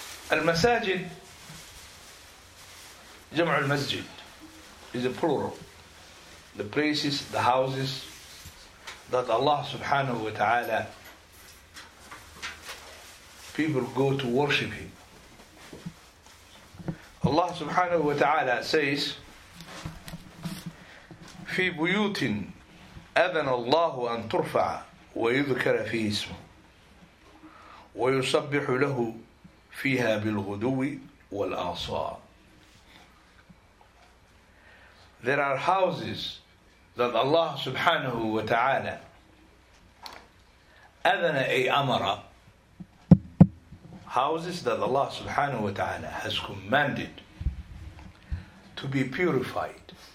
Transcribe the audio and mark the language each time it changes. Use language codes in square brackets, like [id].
[en] Al-masajid, jam' al-masjid, is a plural. The places, the houses that Allah subhanahu wa ta'ala, people go to worship Him. Allah subhanahu wa ta'ala says, [ar] في بيوت أذن الله أن ترفع ويذكر فيه اسمه ويصبح له فيها بالغدو والآصال. [en] There are houses that Allah subhanahu wa ta'ala [ar] أذن أي أمر. [en] Houses that Allah subhanahu wa ta'ala has commanded to be purified.